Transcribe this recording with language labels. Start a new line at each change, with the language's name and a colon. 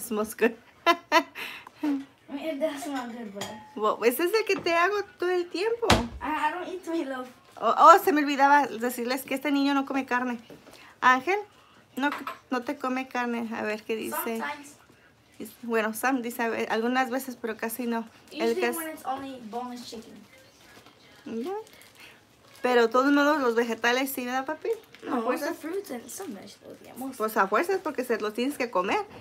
English: smells good, but no, I don't really like it. That kind of smells good. I mean, it does smell good, but...
Spanish: Well, ese es el que te hago todo el tiempo.
English: I don't eat meatloaf.
Spanish: Oh, se me olvidaba decirles que este niño no come carne. Ángel. No te come carne. A ver qué dice.
English: Sometimes.
Spanish: Bueno, Sam dice a ver, algunas veces, pero casi no.
English: Usually when it's only boneless chicken. Yeah.
Spanish: Pero de todos modos, los vegetales sí, ¿verdad, papi?
English: No, fruits and some vegetables, yeah,
Spanish: pues a fuerzas, porque se los tienes que comer.